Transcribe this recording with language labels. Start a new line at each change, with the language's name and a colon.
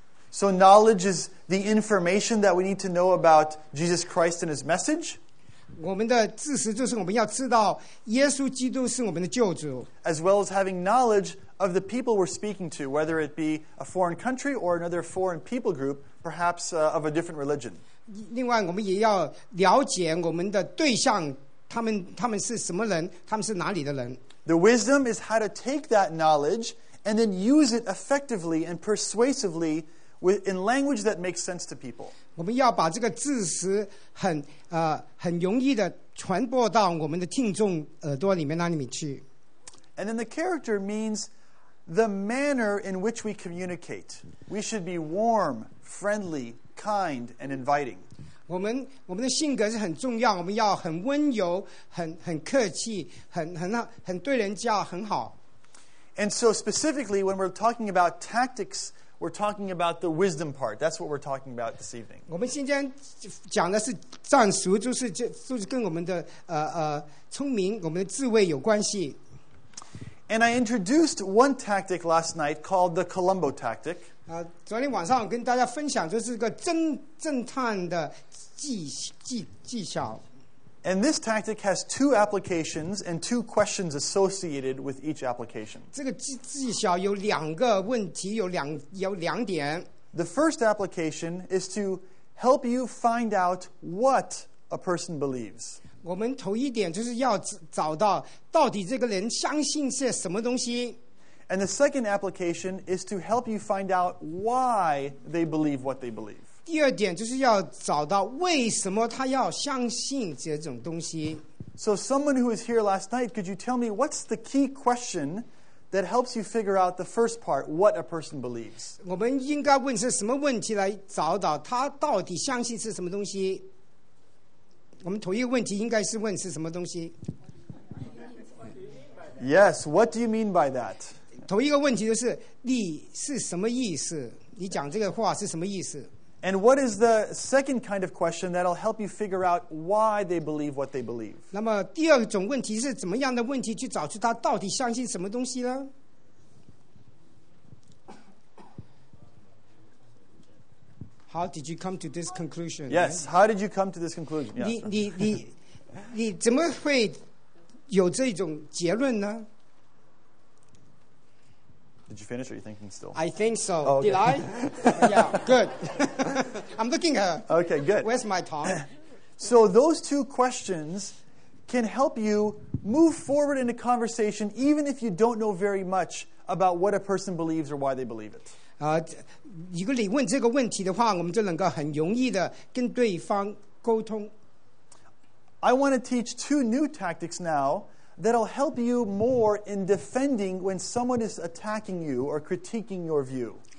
English: So knowledge is the information that we need to know about Jesus Christ and His message.
Chinese: 我们的知识就是我们要知道耶稣基督是我们的救主。
English: As well as having knowledge of the people we're speaking to, whether it be a foreign country or another foreign people group, perhaps of a different religion.
Chinese: 另外，我们也要了解我们的对象，他们是什么人，他们是哪里的人。
English: The wisdom is how to take that knowledge. And then use it effectively and persuasively in language that makes sense to people.
Chinese: 我们要把这个知识很容易的传播到我们的听众耳朵里面那里面去。
English: And then the character means the manner in which we communicate. We should be warm, friendly, kind, and inviting.
Chinese: 我们的性格是很重要，我们要很温柔，很客气，很对人家很好。
English: And so specifically, when we're talking about tactics, we're talking about the wisdom part. That's what we're talking about this evening.
Chinese: 我们今天讲的是战术，就是跟我们的聪明，我们的智慧有关系。
English: And I introduced one tactic last night called the Columbo tactic.
Chinese: 昨天晚上我跟大家分享就是个侦探的技巧。
English: And this tactic has two applications and two questions associated with each application.
Chinese: 这个技巧有两个问题，有两点。
English: The first application is to help you find out what a person believes.
Chinese: 我们头一点就是要找到到底这个人相信些什么东西。
English: And the second application is to help you find out why they believe what they believe.
Chinese: 第二点就是要找到为什么他要相信这种东西。
English: So someone who was here last night, could you tell me what's the key question that helps you figure out the first part, what a person believes?
Chinese: 我们应该问是什么问题来找到他到底相信是什么东西？我们头一个问题应该是问是什么东西
English: ？Yes, what do you mean by that?
Chinese: 头一个问题就是你是什么意思？你讲这个话是什么意思？
English: And what is the second kind of question that'll help you figure out why they believe what they believe?
Chinese: 那么第二种问题是怎么样的问题去找出他到底相信什么东西呢？
English: How did you come to this conclusion? Yes, how did you come to this conclusion? Yes.
Chinese: 你怎么会有这种结论呢?
English: Did you finish or are you thinking still? I think so. Oh, okay. Did I? Yeah, good. I'm looking at her. Okay, good. Where's my tongue? So those two questions can help you move forward in a conversation even if you don't know very much about what a person believes or why they believe it.
Chinese: 如果你问这个问题的话, 我们就能够很容易地跟对方沟通。
English: I want to teach two new tactics now that'll help you more in defending when someone is attacking you or critiquing your view.